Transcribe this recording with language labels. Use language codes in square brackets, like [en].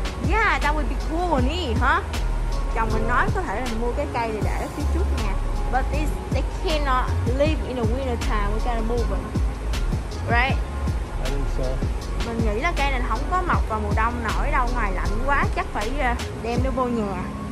[en] Yeah, that would be cool on it, huh? [vi] Chồng mình nói có thể là mua cái cây này để phía trước nha. [en] But this, they cannot live in the winter time. We gotta move it. Right? [vi] Mình nghĩ là cây này không có mọc vào mùa đông nổi đâu. Ngoài lạnh quá, chắc phải đem nó vô nhà.